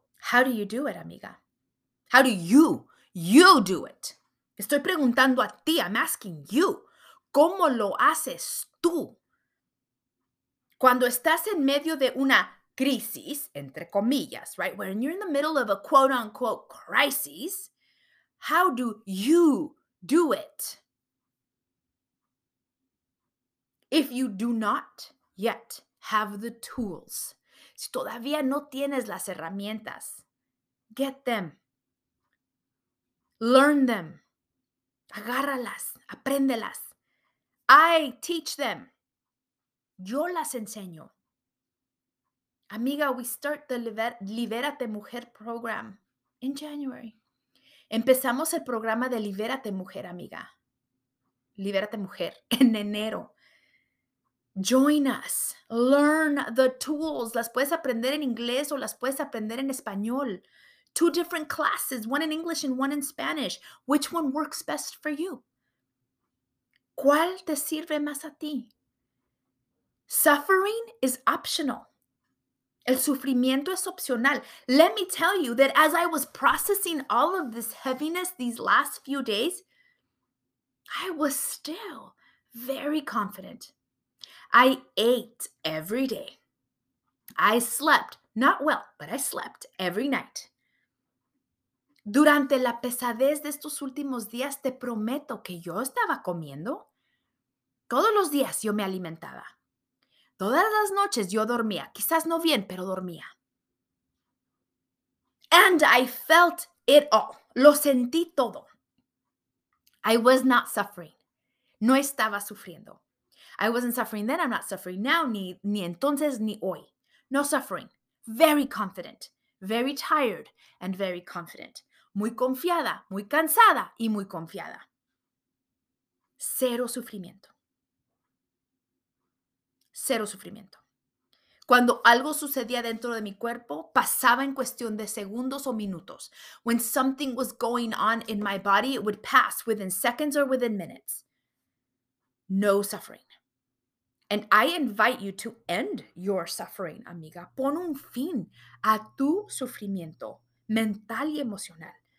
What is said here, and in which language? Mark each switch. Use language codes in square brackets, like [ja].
[en] How do you do it, amiga? How do you do it? [es] Estoy preguntando a ti, [en] I'm asking you, [es] ¿cómo lo haces tú? Cuando estás en medio de una crisis, entre comillas, right? [en] When you're in the middle of a quote-unquote crisis, how do you do it? If you do not yet have the tools, [es] si todavía no tienes las herramientas, [en] get them. Learn them. [es] Agárralas. Apréndelas. [en] I teach them. [es] Yo las enseño. [en] Amiga, we start the Libérate Mujer program in January. [es] Empezamos el programa de Libérate Mujer, amiga. Libérate Mujer, en enero. [en] Join us. Learn the tools. [es] Las puedes aprender en inglés o las puedes aprender en español. [en] Two different classes, one in English and one in Spanish. Which one works best for you? [es] ¿Cuál te sirve más a ti? [en] Suffering is optional. [es] El sufrimiento es opcional. [en] Let me tell you that as I was processing all of this heaviness these last few days, I was still very confident. I ate every day. I slept, not well, but I slept every night. [es] Durante la pesadez de estos últimos días, te prometo que yo estaba comiendo. Todos los días yo me alimentaba. Todas las noches yo dormía, quizás no bien, pero dormía. [en] And I felt it all. [es] Lo sentí todo. [en] I was not suffering. [es] No estaba sufriendo. [en] I wasn't suffering then, I'm not suffering now, [es] ni entonces, ni hoy. [en] No suffering. Very confident. Very tired and very confident. [es] Muy confiada, muy cansada y muy confiada. Cero sufrimiento. Cero sufrimiento. Cuando algo sucedía dentro de mi cuerpo, pasaba en cuestión de segundos o minutos. [en] When something was going on in my body, it would pass within seconds or within minutes. No suffering. And I invite you to end your suffering, amiga. [es] Pon un fin a tu sufrimiento mental y emocional.